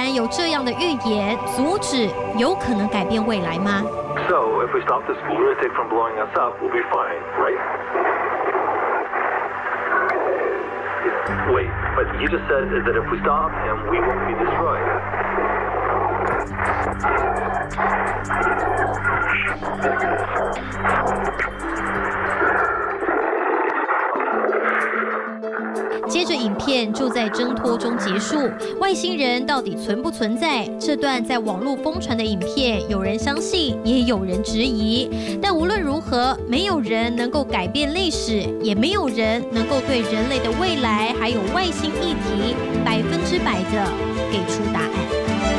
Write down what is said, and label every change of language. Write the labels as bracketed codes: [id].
[zh] 这样的预言阻止有可能改变未来吗？ [en] So if we stop this lunatic from blowing us up, we'll be fine, right? Wait, but you just said that if we stop him, we won't be destroyed. [zh] 接着影片就在挣脱中结束，外星人到底存不存在？这段在网络疯传的影片，有人相信，也有人质疑。但无论如何，没有人能够改变历史，也没有人能够对人类的未来还有外星议题100%的给出答案。